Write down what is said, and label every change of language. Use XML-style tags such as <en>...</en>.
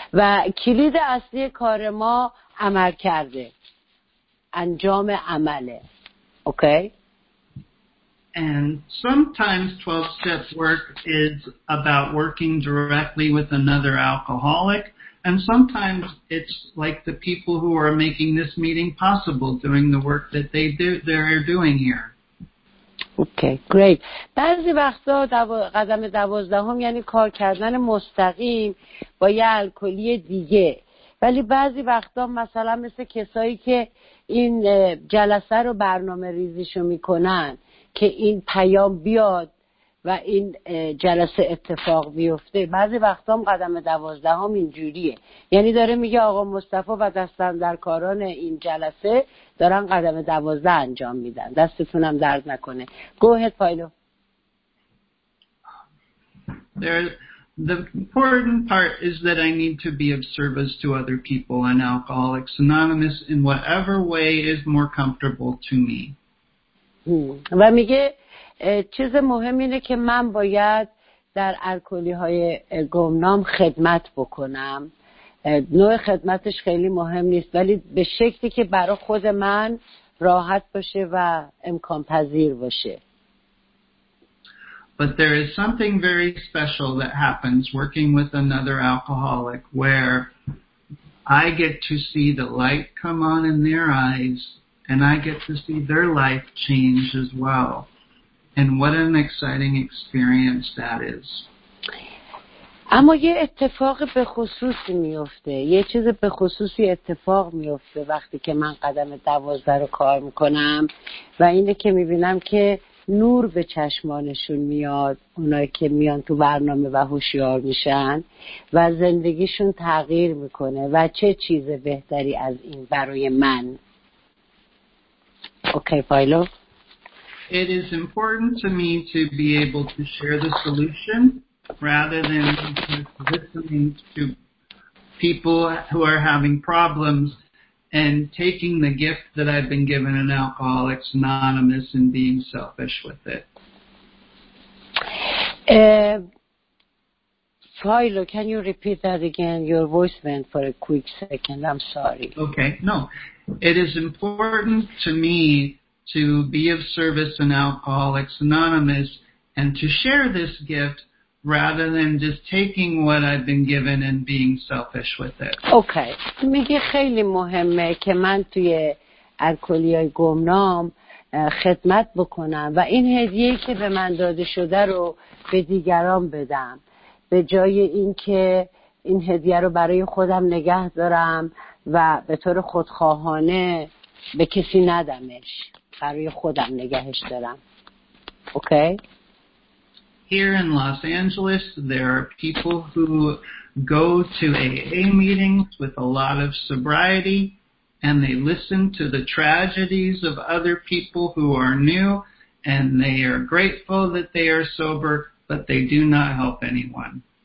<fa>و کلید اصلی کار ما عمل کرده. انجام عمله. Okay.</fa> <en>And sometimes 12 step work is about working directly with another alcoholic, and sometimes it's like the people who are making this meeting possible doing the work that they're doing here. Okay, great.</en> <fa>بعضی وقتا قدم 12 یعنی کار کردن مستقیم با یه الکلی دیگه. ولی بعضی وقتا مثلا مثل کسایی که این جلسه رو برنامه ریزیشو میکنن که این پیام بیاد و این جلسه اتفاق بیفته. بعضی وقتا هم قدم 12 اینجوریه. یعنی داره میگه آقا مصطفی و دستاندرکاران این جلسه دارن قدم 12 انجام میدن. دستتونم درد نکنه.</fa> <en>Go ahead, Philo. The important part is that I need to be of service to other people and Alcoholics Anonymous in whatever way is more comfortable to me.</en> <fa>و میگه چیز مهم اینه که من باید در الکلی های گمنام خدمت بکنم. نوع خدمتش خیلی مهم نیست ولی به شکلی که برای خود من راحت باشه و امکان پذیر باشه.</fa> <en>But there is something very special that happens working with another alcoholic where I get to see the light come on in their eyes and I get to see their life change as well. And what an exciting experience that is.</en> <fa>اما یه اتفاق به خصوصی میفته. یه چیز به خصوصی اتفاق میفته وقتی که من قدم 12 رو کار میکنم و اینه که میبینم که نور به چشمانشون میاد اونایی که میان تو برنامه و هوشیار میشن و زندگیشون تغییر میکنه و چه چیز بهتری از این برای من. اوکی فایلو.</fa> <en>It is important to me to be able to share the solution rather than listening to people who are having problems and taking the gift that I've been given in Alcoholics Anonymous and being selfish with it. Philo, can you repeat that again? Your voice went for a quick second. I'm sorry. Okay, no. It is important to me to be of service in Alcoholics Anonymous and to share this gift rather than just taking what I've been given and being selfish with it. Okay.</en> <fa>میگه خیلی مهمه که من توی الکلی‌های گمنام خدمت بکنم و این هدیه‌ای که به من داده شده رو به دیگران بدم به جای اینکه این هدیه رو برای خودم نگه دارم و به طور خودخواهانه به کسی ندمش، برای خودم نگهش دارم. اوکی؟</fa> <en>Here in Los Angeles, there are people who go to AA meetings with a lot of sobriety, and they listen to the tragedies of other people who are new, and they are grateful that they are sober, but they do not help anyone.</en>